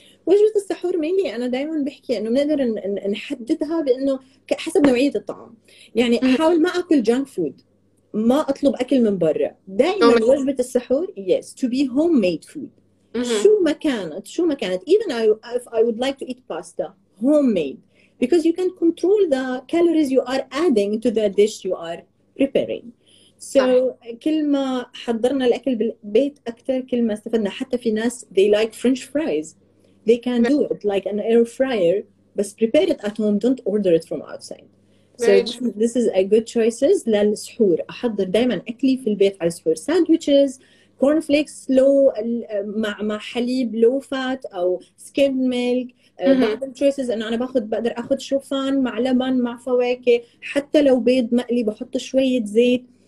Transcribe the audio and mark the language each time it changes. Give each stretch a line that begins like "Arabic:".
Arabic: وجبه السحور مينلي انا دائما بحكي انه بنقدر نحددها بانه حسب نوعيه الطعام، يعني احاول ما اكل جانك فود، ما اطلب اكل من برا، دائما وجبه السحور يس تو بي هوم ميد فود، شو ما كانت شو ما كانت،
English: even if I would like to eat pasta
Arabic: هوم ميد،
English: because you can control the calories you are adding to the dish you are preparing.
Arabic: So كل ما حضرنا الاكل بالبيت اكثر كل ما استفدنا. حتى في ناس
English: they like french fries they can do it like an air fryer
Arabic: بس
English: prepare it at home don't order it from outside. So this is a good choices
Arabic: للسحور. أحضر دائما أكلي في البيت على السحور، ساندويتشز، كورن فليكس لو مع حليب لو فات أو سكيم ميلك. بعض التشويسز إنه أنا باخذ بقدر آخذ شوفان مع لبن مع فواكه، حتى لو بيض مقلي بحط شوية زيت.